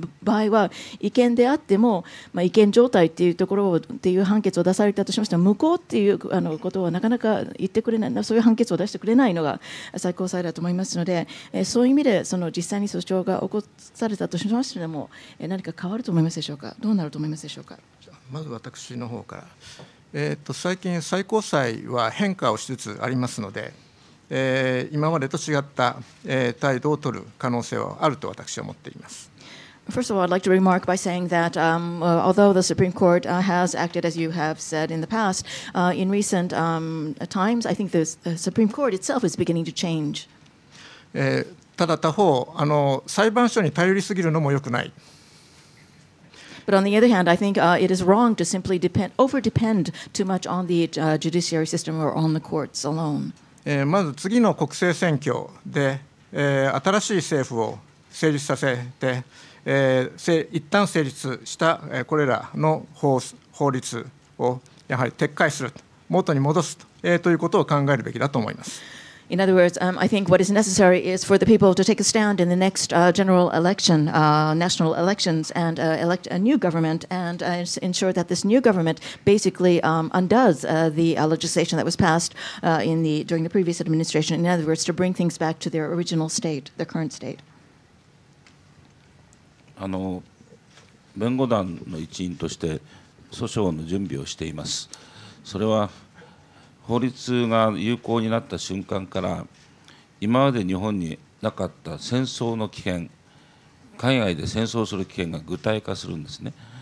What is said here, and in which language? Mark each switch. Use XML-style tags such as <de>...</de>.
<ja>場合は違憲であっても、違憲状態っていうところっていう判決を出されたとしましても、無効っていうことはなかなか言ってくれない、そういう判決を出してくれないのが最高裁だと思いますので、そういう意味でその実際に訴訟が起こされたとしましても、何か変わると思いますでしょうか。どうなると思いますでしょうか。まず私の方から、最近最高裁は変化をしつつありますので、今までと違った態度を取る可能性はあると私は思っています。</ja> <en>First of all, I'd like to remark by saying that although the Supreme Court has acted as you have said in the past, in recent times, I think the Supreme Court itself is beginning to change.</en> <ja>ただ他方、裁判所に頼りすぎるのも良くない。</ja> <en>But on the other hand, I think it is wrong to simply over depend too much on the judiciary system or on the courts alone.</en> <ja>まず次の国政選挙で、新しい政府を成立させて、一旦成立した、これらの 法律をやはり撤回する、元に戻す、ということを考えるべきだと思います。</ja> <en>In other words, I think what is necessary is for the people to take a stand in the next general election, national elections, and elect a new government, and ensure that this new government basically undoes the legislation that was passed during the previous administration. In other words, to bring things back to their original state, their current state.</en> <ja>弁護団の一員として訴訟の準備をしています。それは法律が有効になった瞬間から、今まで日本になかった戦争の危険、海外で戦争する危険が具体化するんですね。</ja>